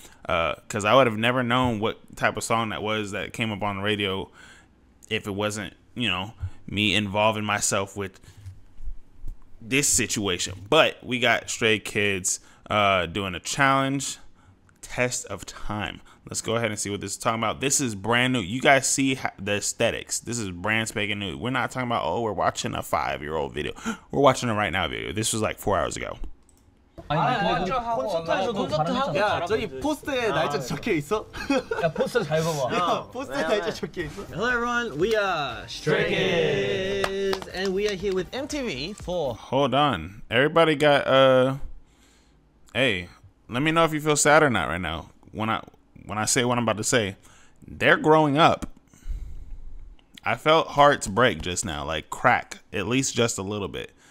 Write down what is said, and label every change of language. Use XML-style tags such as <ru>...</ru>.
<en>Because I would have never known what type of song that was that came up on the radio if it wasn't, you know, me involving myself with this situation. But we got Stray Kids doing a challenge, Test of Time. Let's go ahead and see what this is talking about. This is brand new. You guys see the aesthetics. This is brand spanking new. We're not talking about, oh, we're watching a five-year-old video. We're watching a right now video. This was like 4 hours ago.</en> <ko>아니, 아니, 아니 콘서트에서 콘서트 하고 야 저기 포스트에 날짜 적혀 있어? 야 포스터 잘 봐봐 야 포스트에 날짜 적혀 있어?</ko> <en>Hello everyone, we are Stray Kids and we are here with MTV for Hold on, everybody got Hey, let me know if you feel sad or not right now when I say what I'm about to say. They're growing up. I felt hearts break just now, like crack, at least just a little bit.</en>